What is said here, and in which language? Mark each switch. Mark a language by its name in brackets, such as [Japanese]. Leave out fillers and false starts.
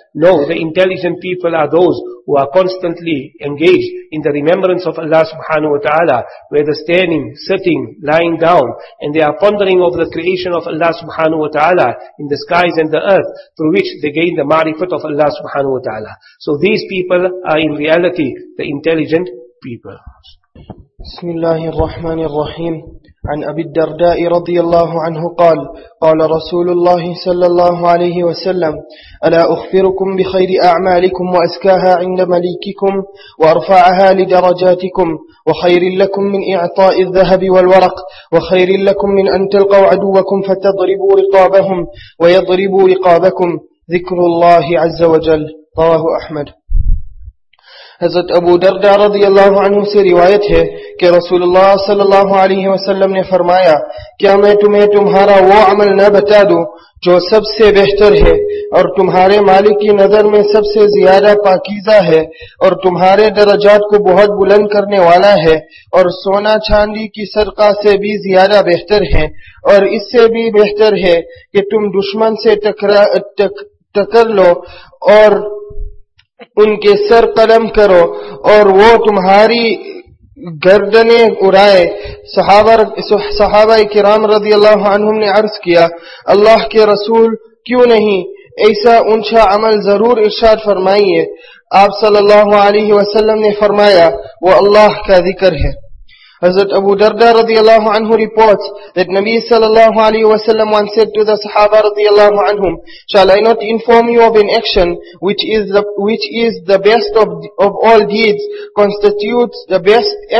[English] No, the intelligent people are those who are constantly engaged in the remembrance of Allah subhanahu wa ta'ala, whether standing, sitting, lying down, and they are pondering over the creation of Allah subhanahu wa ta'ala in the skies and the earth, through which they gain the ma'rifat of Allah subhanahu wa ta'ala. So these people are in reality the intelligent people. [Arabic] بسم الله الرحمن الرحيم. عن أبي الدرداء رضي الله عنه قال قال رسول الله صلى الله عليه وسلم ألا أخبركم بخير أعمالكم وأزكاها عند مليككم وأرفعها لدرجاتكم وخير لكم من إعطاء الذهب والورق وخير لكم من أن تلقوا عدوكم فتضربوا رقابهم ويضربوا رقابكم ذكر الله عز وجل. رواه أحمد. [Urdu] حضرت ابو دردا رضی اللہ عنہ سے روایت ہے کہ رسول اللہ صلی اللہ علیہ وسلم نے فرمایا کیا میں تمہیں تمہارا وہ عمل نہ بتا دوں جو سب سے بہتر ہے اور تمہارے مالک کی نظر میں سب سے زیادہ پاکیزہ ہے اور تمہارے درجات کو بہت بلند کرنے والا ہے اور سونا چاندی کی صدقہ سے بھی زیادہ بہتر ہے اور اس سے بھی بہتر ہے کہ تم دشمن سے ٹکر لو اور ان کے سر قلم کرو اور وہ تمہاری گردنیں اڑائے. صحابہ کرام رضی اللہ عنہم نے عرض کیا اللہ کے رسول کیوں نہیں ایسا اونچا عمل ضرور ارشاد فرمائیے. آپ صلی اللہ علیہ وسلم نے فرمایا وہ اللہ کا ذکر ہے. [English] Hazrat Abu Darda radiallahu anhu reports that Nabi sallallahu alayhi wa sallam once said to the Sahaba radiallahu anhum, shall I not inform you of an action which is the best of all deeds, constitutes the best